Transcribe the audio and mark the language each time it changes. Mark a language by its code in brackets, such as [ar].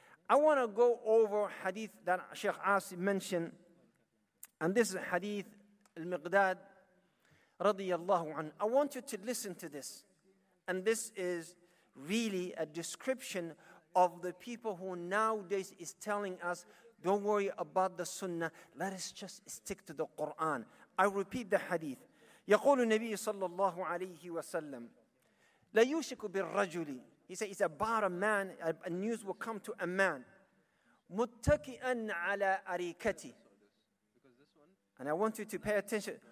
[en] I want to go over hadith that Sheikh Asim mentioned, and this is hadith al-Miqdad radiyallahu anhu. I want you to listen to this, and this is really a description of the people who nowadays is telling us, don't worry about the sunnah, let us just stick to the Quran. I repeat the hadith. [ar] يقول النبي صلى الله عليه وسلم لا يوشك بالرجل. [en] He said, it's about a man, a news will come to a man. [ar] مُتَّكِئًا عَلَىٰ أَرِيكَتِي. [en] And I want you to pay attention.